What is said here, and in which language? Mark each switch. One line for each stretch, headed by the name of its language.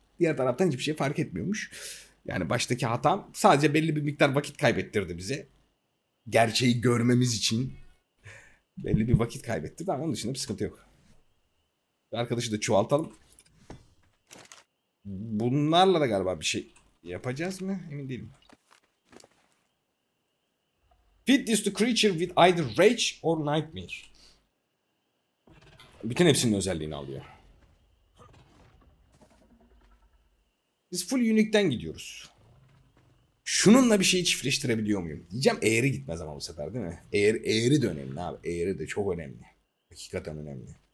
Turkish: Diğer taraftan hiçbir şey fark etmiyormuş. Yani baştaki hatam sadece belli bir miktar vakit kaybettirdi bize. Gerçeği görmemiz için belli bir vakit kaybettirdi ama onun dışında bir sıkıntı yok. Bir arkadaşı da çoğaltalım. Bunlarla da galiba bir şey yapacağız mı? Emin değilim.
English: Feed this to creature with either rage or nightmare.
Turkish: Bütün hepsinin özelliğini alıyor. Biz full unique'den gidiyoruz. Şununla bir şeyi çiftleştirebiliyor muyum? Diyeceğim eğri gitmez ama bu sefer değil mi? Eğri de önemli abi. Eğri de çok önemli. Hakikaten önemli.